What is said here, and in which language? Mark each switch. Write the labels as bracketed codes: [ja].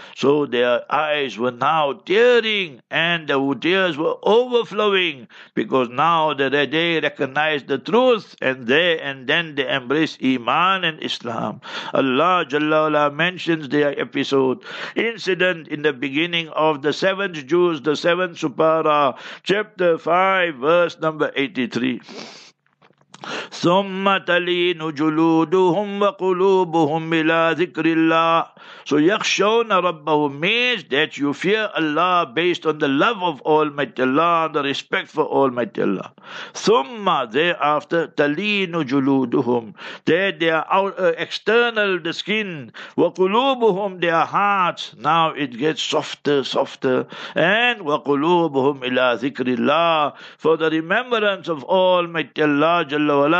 [en] So their eyes were now tearing and the tears were overflowing because now that they recognized the truth, and there and then they embraced Iman and Islam. Allah Jalla Ala mentions their episode, incident in the beginning of the seventh Jews, the seventh Supara, chapter 5, verse number 83. [ar] ثم تلين جلودهم وقلوبهم إلى ذكر الله. [en] So [ar] يخشون ربهم, [en] means that you fear Allah based on the love of Almighty Allah, the respect for Almighty Allah. [ar] ثم [en] thereafter [ar] تلين جلودهم, [en] that their external the skin, [ar] وقلوبهم [en] their hearts, now it gets softer, softer, and [ar] وقلوبهم إلى ذكر الله, [en] for the remembrance of Almighty Allah Jalla.